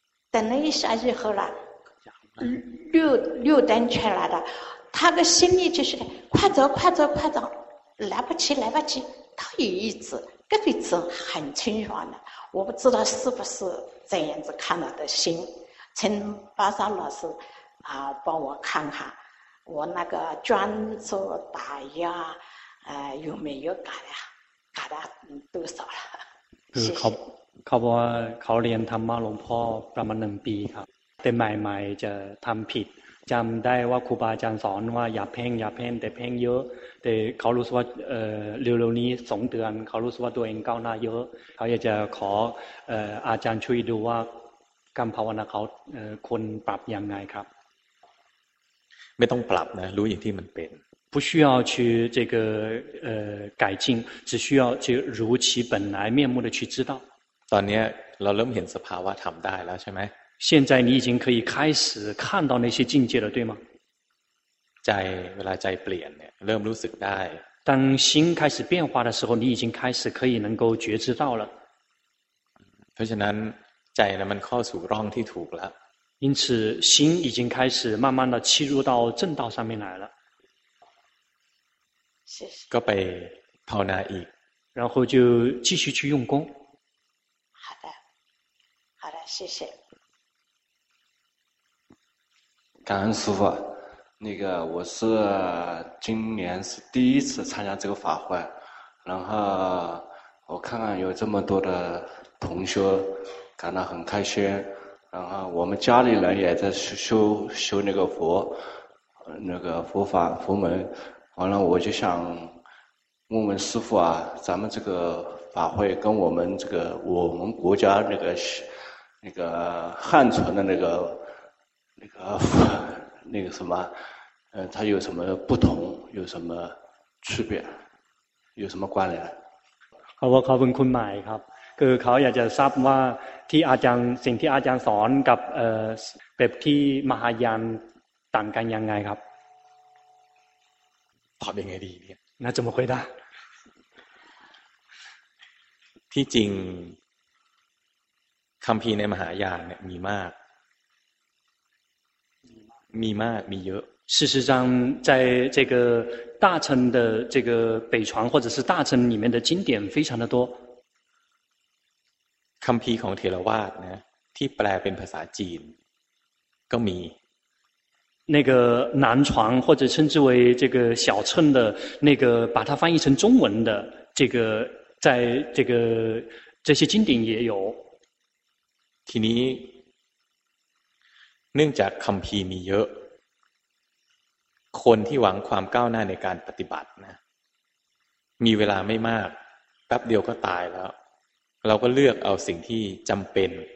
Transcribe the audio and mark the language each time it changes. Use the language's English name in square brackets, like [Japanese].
[Chinese] 等了一下以后呢六灯出来的他的心里就是快走快走快走来不及来不及他有意志这个字很清爽的我不知道是不是这样子看到的心请巴萨老师帮我看看我那个专注打压有没有改啊改了多少了谢谢 [Thai] เขาบอกว่าเขาเรียนธรรมะหลวงพ่อประมาณ1 ปีครับแต่ใหม่ๆจะทำผิดจำได้ว่าครูบาอาจารย์สอนว่าอย่าเพ่งแต่เพ่งเยอะแต่เขารู้สึกว่าเร็วๆนี้2 เดือนเขารู้สึกว่าตัวเองก้าวหน้าเยอะเขาอยากจะขออาจารย์ช่วยดูว่ากรรมภาวนาเขาควรปรับยังไงครับ ไม่ต้องปรับนะรู้อย่างที่มันเป็น [Chinese] 不需要去这个改进只需要去如其本来面目的去知道 [Thai] ตอนนี้เราเริ่มเห็นสภาวะทำได้แล้วใช่ไหม [Chinese] 现在你已经可以开始看到那些境界了对吗 [Thai] ใจเวลาใจเปลี่ยนเนี่ยเริ่มรู้สึกได้ [Chinese] 当心开始变化的时候你已经开始可以能够觉知到了 [Thai] เพราะฉะนั้นใจเนี่ยมันเข้าสู่ร่องที่ถูกแล้ว [Chinese] 因此心已经开始慢慢的切入到正道上面来了谢谢 [Thai] ก็ไปภาวนาอีก [Chinese] 然后就继续去用功谢谢感恩师父那个我是今年是第一次参加这个法会然后我看看有这么多的同学感到很开心然后我们家里人也在修那个佛那个佛法佛门完了我就想问问师父啊咱们这个法会跟我们国家那个汉传的那个什么它有什么不同有什么区别有什么关联好我考问 [Thai] คุณใหม่ครับคือเขาอยากจะทราบว่าที่อาจารย์สิ่งที่อาจารย์สอนกับแบบที่มหายานต่างกันยังไงครับ ตอบยังไงดีเนี่ย น่าจะไม่ค่อยได้ที่จริงคำพีในมหายานเนี่ยมีมากมีเยอะ [Chinese] 事实上在这个大乘的这个北传或者是大乘里面的经典非常的多 [Thai] คำพีของเถรวาทนะที่แปลเป็นภาษาจีนก็มี [Chinese] 那个南传或者称之为这个小乘的那个把它翻译成中文的这个在这个这些经典也有 [Thai] ทีนี้เนื่องจากคัมภีร์มีเยอะคนที่หวังความก้าวหน้าในการปฏิบัตินะ มีเวลาไม่มากแป๊บเดียวก็ตายแล้วเราก็เลือกเอาสิ่งที่จำเป็น